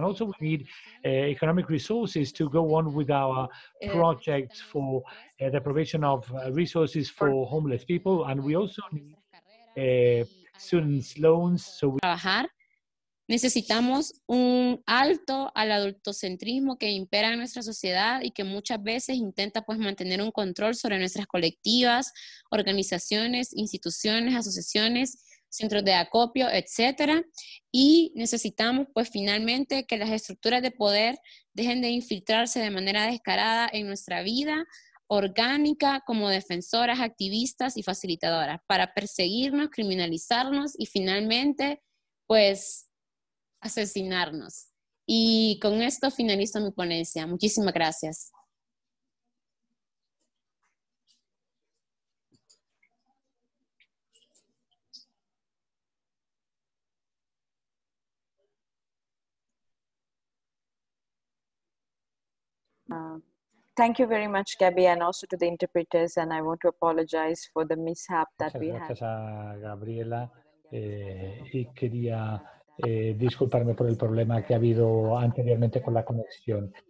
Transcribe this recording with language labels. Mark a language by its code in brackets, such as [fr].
[en] And also we need economic resources to go on with our project for the provision of resources for homeless people. And we also need students' loans. So we [es] necesitamos un alto al adultocentrismo que impera en nuestra sociedad y que muchas veces intenta pues mantener un control sobre nuestras colectivas, organizaciones, instituciones, asociaciones, centros de acopio, etc. Y necesitamos pues finalmente que las estructuras de poder dejen de infiltrarse de manera descarada en nuestra vida orgánica como defensoras, activistas y facilitadoras para perseguirnos, criminalizarnos y finalmente pues asesinarnos. Y con esto finalizo mi ponencia. Muchísimas gracias. [en] Thank you very much, Gabby, and also to the interpreters, and I want to apologize for the mishap that we had. [es] Gracias a Gabriela, y quería disculparme por el problema que ha habido anteriormente con la conexión.